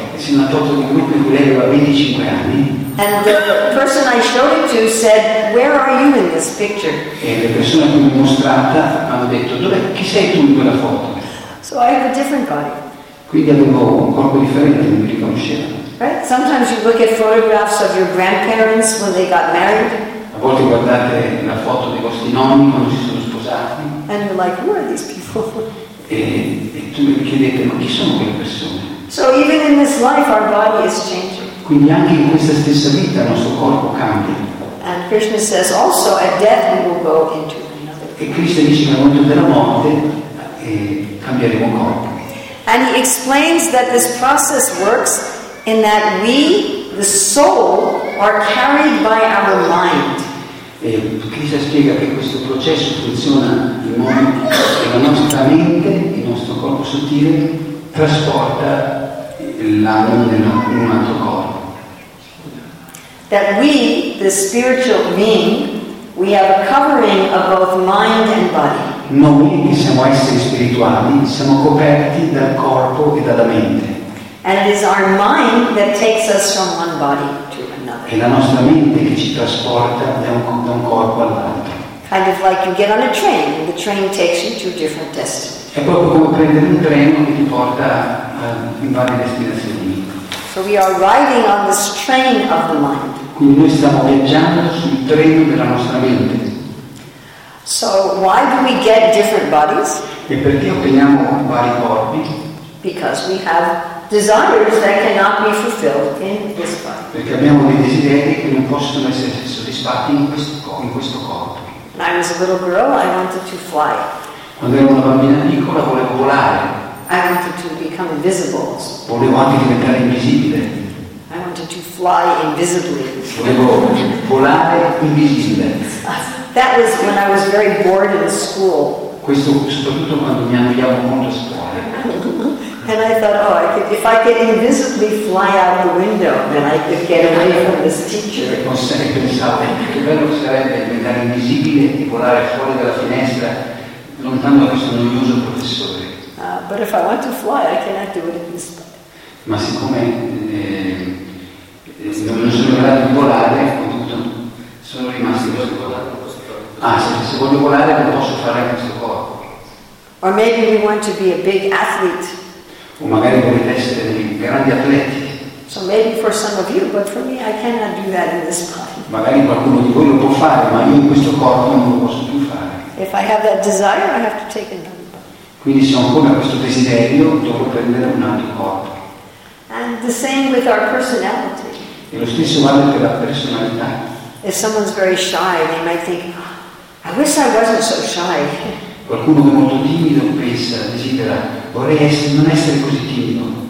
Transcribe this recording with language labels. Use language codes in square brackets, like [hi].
[it] Sì, una foto di gruppo in cui lei aveva 25 anni. [en] And the person I showed it to said, where are you in this picture? [it] E le persone che mi mostrata hanno detto, dove, chi sei tu in quella foto? [en] So I have a different body. [it] Quindi avevo un corpo differente, non mi riconosceva. [en] Right? Sometimes you look at photographs of your grandparents when they got married. [it] A volte guardate la foto dei vostri nonni quando si sono sposati. [en] And you're like, who are these people? [it] E tu mi chiedete, ma chi sono quelle persone? [en] So even in this life our body is changing. [it] Quindi anche in questa stessa vita il nostro corpo cambia. [en] And Krishna says also at death we will go into another. [it] E Krishna dice nel momento della morte cambieremo corpo. [en] And he explains that this process works in that we, the soul, are carried by our mind. [it] E Krishna spiega che questo processo funziona in modo che la nostra mente, il nostro corpo sottile, trasporta l'anima in un altro corpo. [en] That we, the spiritual being, we have a covering of both mind and body. [it] Noi che siamo esseri spirituali, siamo coperti dal corpo e dalla mente. [en] And it is our mind that takes us from one body to another. [it] È la nostra mente che ci trasporta da un corpo all'altro. [en] Kind of like you get on a train, and the train takes you to a different destination. [it] È proprio come prendere un treno che ti porta in varie respirazioni. [en] So we are riding on this train of the mind. [it] Quindi noi stiamo viaggiando sul treno della nostra mente. [en] So why do we get different bodies? [it] E perché otteniamo vari corpi? [en] Because we have desires that cannot be fulfilled in this body. [it] Perché abbiamo dei desideri che non possono essere soddisfatti in questo corpo. [en] When I was a little girl, I wanted to fly. [it] Quando ero una bambina piccola volevo volare. [en] I wanted to become invisible. [it] Volevo anche diventare invisibile. [en] I wanted to fly invisibly. [it] Volevo volare invisibile. [en] That was when I was very bored in school. [it] Questo soprattutto quando mi annoiavo molto a scuola. [en] And I thought, oh, if I could invisibly fly out the window, then I could get away from this teacher. [it] Pensavo, che bello sarebbe diventare invisibile e volare fuori dalla finestra, lontano da questo noioso professore. [en] But if I want to fly, I cannot do it in this spot. [it] Ma siccome non sono in grado di volare, sono rimasti questo volare. Ah, se voglio volare non posso fare questo corpo. [en] Or maybe we want to be a big athlete. [it] O magari volete essere dei grandi atleti. [en] So maybe for some of you, but for me I cannot do that in this body. [it] Magari qualcuno di voi lo può fare, ma io in questo corpo non lo posso più fare. [en] If I have that desire, I have to take another body. [it] Quindi se ho ancora questo desiderio, devo prendere un altro corpo. [en] And the same with our personality. [it] E lo stesso vale per la personalità. [en] If someone's very shy, they might think, I wish I wasn't so shy. [it] Qualcuno che è molto timido pensa, desidera, vorrei essere, non essere così timido.